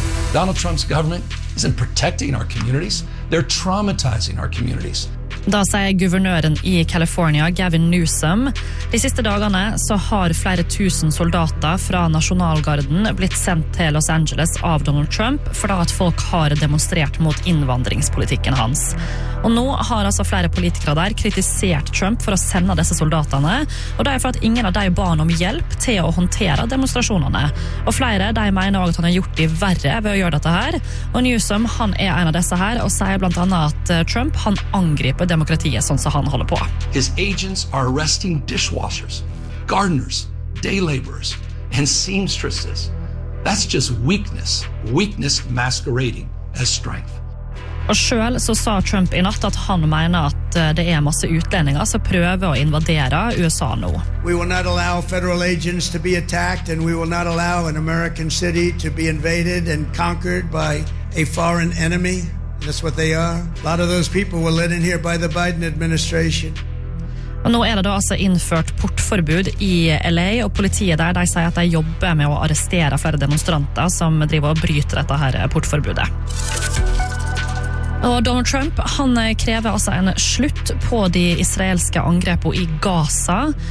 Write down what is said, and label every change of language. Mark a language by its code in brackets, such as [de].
[en] Donald Trump's government isn't protecting our communities. They're traumatizing our communities. [no] Da sier guvernøren I California, Gavin Newsom. De siste dagene så har flere tusen soldater fra Nasjonalgarden blitt sendt til Los Angeles av Donald Trump for da at folk har demonstrert mot innvandringspolitikken hans. Og nå har altså flere politikere der kritisert Trump for å sende disse soldatene, og det for at ingen av de ba om hjelp til å håndtere demonstrasjonene. Og flere, de mener også at han har gjort det verre ved å gjøre dette her. Og Newsom, han en av disse her, og sier blant annet at Trump, han angriper demokratiet sånn som han holder på. [en] His agents are arresting dishwashers, gardeners, day laborers, and seamstresses. That's just weakness. Weakness masquerading as strength. [no] Og selv så sa Trump I natt at han mener at det masse utlendinger som prøver å invadere USA nå. [en] We will not allow federal agents to be attacked, and we will not allow an American city to be invaded and conquered by a foreign enemy. That's what they are. A lot of those people were let in here by the Biden administration. [no] Og nå det da altså innført portforbud I LA, og politiet der, de sier at de jobber med å arrestere flere demonstranter som driver og bryter dette her portforbudet. Og Donald Trump, han krever altså en slutt på de israelske angrepene I Gaza.